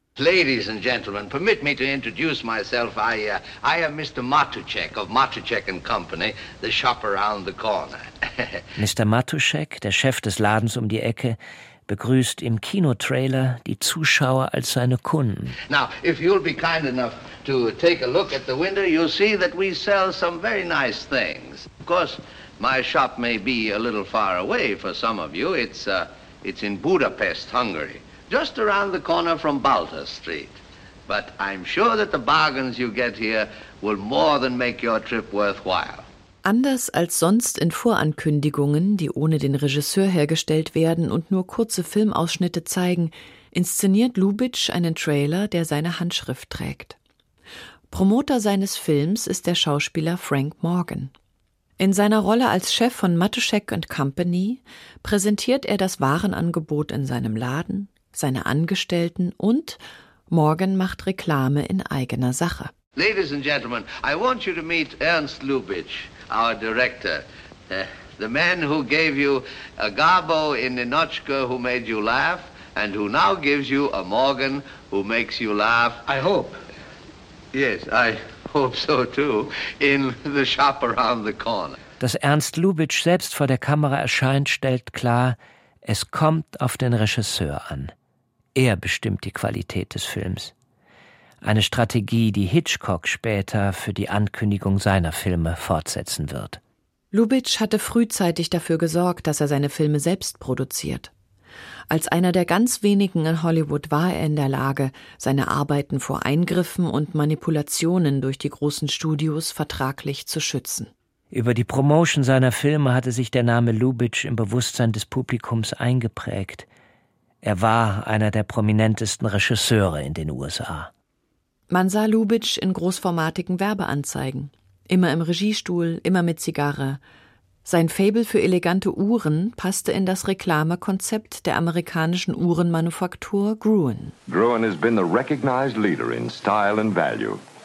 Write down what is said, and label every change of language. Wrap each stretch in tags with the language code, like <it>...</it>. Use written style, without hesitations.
<en>Ladies and gentlemen, permit me to introduce myself. I am Mr. Matuszek of Matuszek and Company, the shop around the corner. Mr.</en> <de>Matuszek, der Chef des Ladens um die Ecke, begrüßt im Kinotrailer die Zuschauer als seine Kunden.</de> <en>Now, if you'll be kind enough to take a look at the window, you'll see that we sell some very nice things. Of course, my shop may be a little far away for some of you. It's in Budapest, Hungary. Just around the corner from Balter Street. But I'm sure that the bargains you get here will more than make your trip worthwhile.</en> <de>Anders als sonst in Vorankündigungen, die ohne den Regisseur hergestellt werden und nur kurze Filmausschnitte zeigen, inszeniert Lubitsch einen Trailer, der seine Handschrift trägt. Promoter seines Films ist der Schauspieler Frank Morgan. In seiner Rolle als Chef von Matuszek and Company präsentiert er das Warenangebot in seinem Laden, seine Angestellten und Morgan macht Reklame in eigener Sache.</de> <en>Ladies and gentlemen, I want you to meet Ernst Lubitsch, our director. The man who gave you a Gabo in Ninotchka who made you laugh and who now gives you a Morgan who makes you laugh. I hope. Yes, I hope so too, in the shop around the corner.</en> <de>Dass Ernst Lubitsch selbst vor der Kamera erscheint, stellt klar, es kommt auf den Regisseur an. Er bestimmt die Qualität des Films. Eine Strategie, die Hitchcock später für die Ankündigung seiner Filme fortsetzen wird. Lubitsch hatte frühzeitig dafür gesorgt, dass er seine Filme selbst produziert. Als einer der ganz wenigen in Hollywood war er in der Lage, seine Arbeiten vor Eingriffen und Manipulationen durch die großen Studios vertraglich zu schützen. Über die Promotion seiner Filme hatte sich der Name Lubitsch im Bewusstsein des Publikums eingeprägt. Er war einer der prominentesten Regisseure in den USA. Man sah Lubitsch in großformatigen Werbeanzeigen. Immer im Regiestuhl, immer mit Zigarre. Sein Faible für elegante Uhren passte in das Reklamekonzept der amerikanischen Uhrenmanufaktur Gruen.</de> <en>Gruen has been the recognized leader in style and value.</en>